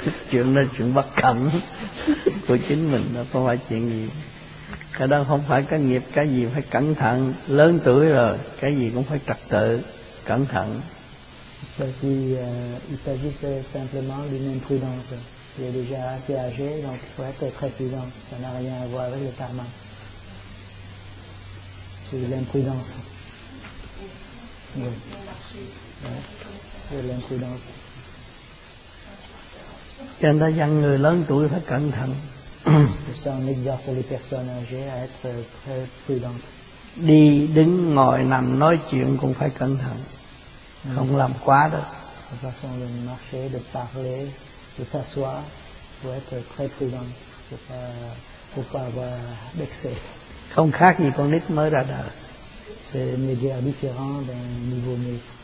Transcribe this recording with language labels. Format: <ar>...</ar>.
<vi>Chuyện đó chuyện bất cẩn của chính mình, nó không phải chuyện gì. Cái đó không phải cái nghiệp, cái gì phải cẩn thận. Lớn tuổi rồi, cái gì cũng phải trật tự, cẩn thận.</vi> <fr>Il s'agit simplement d'une imprudence. Il est déjà assez âgé, donc il faut être très prudent. Ça n'a rien à voir avec le karma. C'est l'imprudence. Oui. Ouais. C'est l'imprudence.</fr> <vi>Chúng ta dặn người lớn tuổi phải cẩn thận.</vi> <fr>C'est un exemple pour les personnes âgées à être très prudentes.</fr> <vi>Đi, đứng, ngồi, nằm, nói chuyện cũng phải cẩn thận. Không làm quá đâu.</vi> <fr>La façon de marcher, de parler, de s'asseoir, faut être très prudent, faut pas avoir d'excès.</fr> <vi>Không khác gì con nít mới ra đời.</vi> <fr>C'est une guerre différente d'un nouveau-né.</fr>